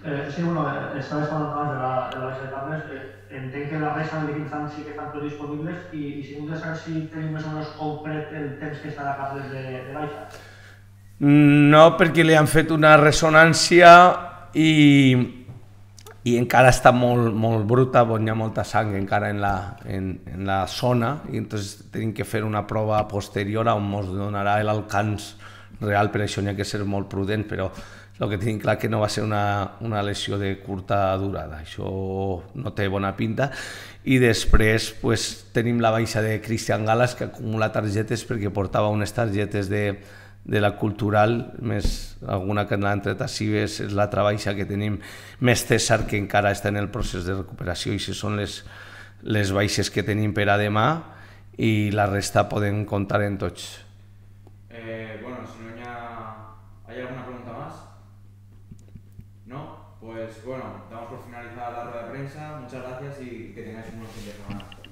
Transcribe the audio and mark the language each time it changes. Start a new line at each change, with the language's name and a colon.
Spanish: Sí, bueno, estabas hablando más de la base de Tarnes.
Catalan: Entenc que la resta de l'equip sí que estan tots disponibles i si vols saber si tenim més o menys concret el temps que estarà cap des de baixa. No, perquè li han fet una ressonància i encara està molt, molt bruta, on hi ha molta sang encara en la zona, i entonces hem que fer una prova posterior on ens donarà l'alcanç real, per això n'hi ha que ser molt prudent, però el que tinc clar que no va ser una lesió de curta durada, això no té bona pinta. I després pues, tenim la baixa de Cristian Galas, que acumula targetes perquè portava unes targetes de la cultural, més alguna que n'ha entret a Cibes, és la travaixa que tenim, més César, que encara està en el procés de recuperació, i si són les baixes que tenim per a demà, i la resta podem comptar en tots. Bueno, si no hi ha alguna pregunta més? No?
Spanish: Pues bueno, damos por finalizada la rueda de prensa, muchas gracias y que tengáis un buen fin de semana.